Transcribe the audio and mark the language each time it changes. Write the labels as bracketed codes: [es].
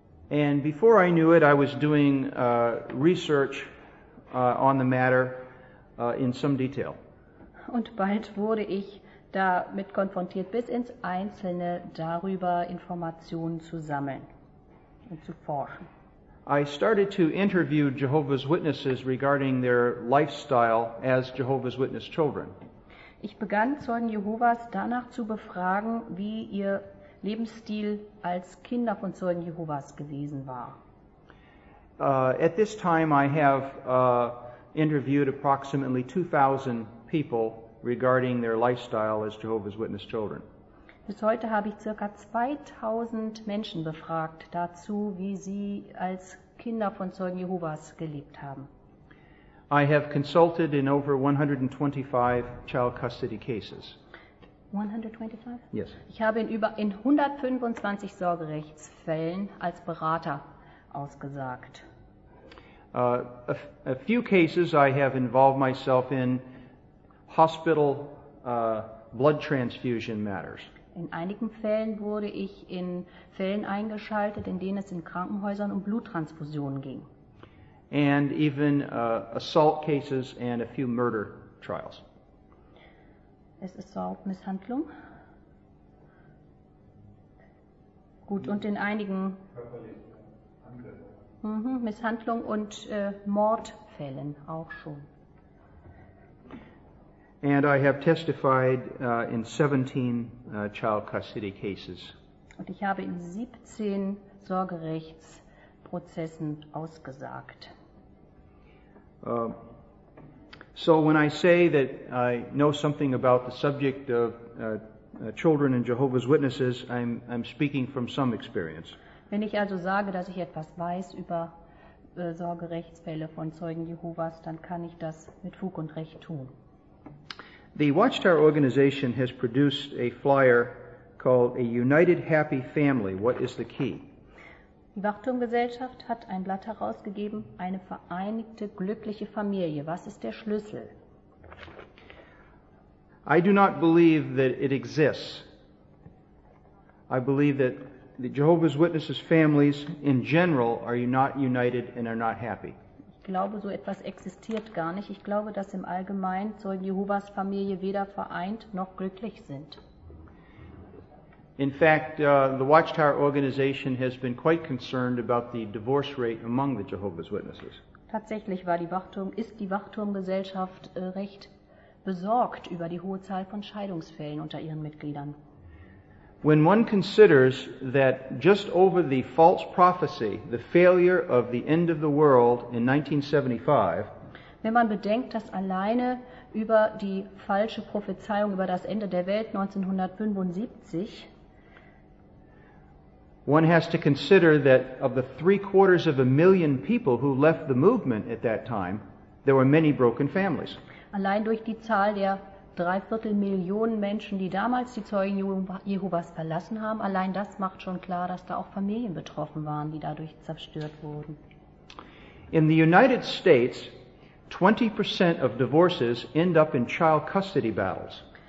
[en] And before I knew it, I was doing research on the matter in some detail. [de] Und bald wurde ich damit konfrontiert, bis ins Einzelne darüber Informationen zu sammeln und zu forschen. [en] I started to interview Jehovah's Witnesses regarding their lifestyle as Jehovah's Witness children. [de] Ich begann, Zeugen Jehovas danach zu befragen, wie ihr Lebensstil als Kinder von Zeugen Jehovas gewesen war. [en] At this time I have interviewed approximately 2,000 people regarding their lifestyle as Jehovah's Witness children. [de] Bis heute habe ich ca. 2,000 Menschen befragt dazu, wie sie als Kinder von Zeugen Jehovas gelebt haben. [en] I have consulted in over 125 child custody cases. 125? Yes. [de] Ich habe in 125 Sorgerechtsfällen als Berater ausgesagt. [en] A few cases I have involved myself in hospital blood transfusion matters. [de] In einigen Fällen wurde ich in Fällen eingeschaltet, in denen es in Krankenhäusern um Bluttransfusionen ging. [en] And even assault cases and a few murder trials. [de] Es ist Assault, Misshandlung. Gut, und in einigen Misshandlung und Mordfällen auch schon. [en] And I have testified in 17 child custody cases. [de] Und ich habe in 17 Sorgerechtsprozessen ausgesagt. [en] So when I say that I know something about the subject of children and Jehovah's Witnesses, I'm speaking from some experience. [de] Wenn ich also sage, dass ich etwas weiß über Sorgerechtsfälle von Zeugen Jehovas, dann kann ich das mit Fug und Recht tun. [en] The Watchtower organization has produced a flyer called A United Happy Family, What is the Key? [de] Die Wachturmgesellschaft hat ein Blatt herausgegeben, eine vereinigte, glückliche Familie. Was ist der Schlüssel? [en] I do not believe that it exists. I believe that the Jehovah's Witnesses families in general are not united and are not happy. [de] Ich glaube, so etwas existiert gar nicht. Ich glaube, dass im Allgemeinen Zeugen Jehovas Familie weder vereint noch glücklich sind. [en] In fact, the Watchtower organization has been quite concerned about the divorce rate among the Jehovah's Witnesses. [de] Tatsächlich war die Wachturm, ist die Wachturmgesellschaft recht besorgt über die hohe Zahl von Scheidungsfällen unter ihren Mitgliedern. [en] When one considers that just over the false prophecy, the failure of the end of the world in 1975, [de] wenn man bedenkt, dass alleine über die falsche Prophezeiung über das Ende der Welt 1975, [en] one has to consider that of the 750,000 people who left the movement at that time, there were many broken families. [de] Allein durch die Zahl der 750,000 Menschen, die damals die Zeugen Jehovas verlassen haben, allein das macht schon klar, dass da auch Familien betroffen waren, die dadurch zerstört wurden. [en] In the United States, 20% of divorces end up in child custody battles.